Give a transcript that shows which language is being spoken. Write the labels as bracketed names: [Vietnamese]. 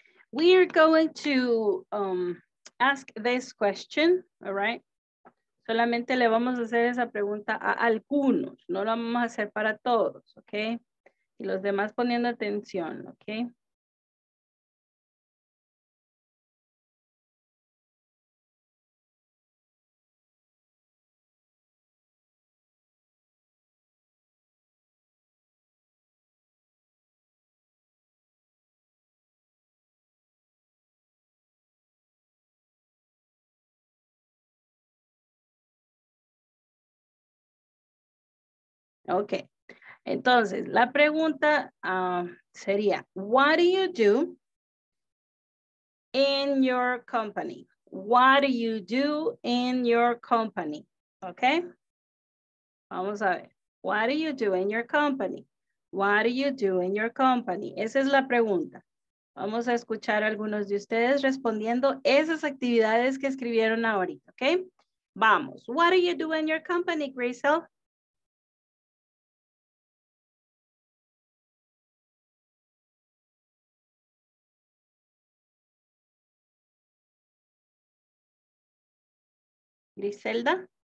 [English] We are going to ask this question, all right? [Spanish] Solamente le vamos a hacer esa pregunta a algunos, no lo vamos a hacer para todos, okay? Y los demás poniendo atención, okay? [English] Ok, [Spanish] entonces la pregunta sería, [English] what do you do in your company? What do you do in your company? Ok, [Spanish] vamos a ver, [English] what do you do in your company? What do you do in your company? [Spanish] Esa es la pregunta. Vamos a escuchar a algunos de ustedes respondiendo esas actividades que escribieron ahorita, ok? Vamos, [English] what do you do in your company, Grisel? Griselda.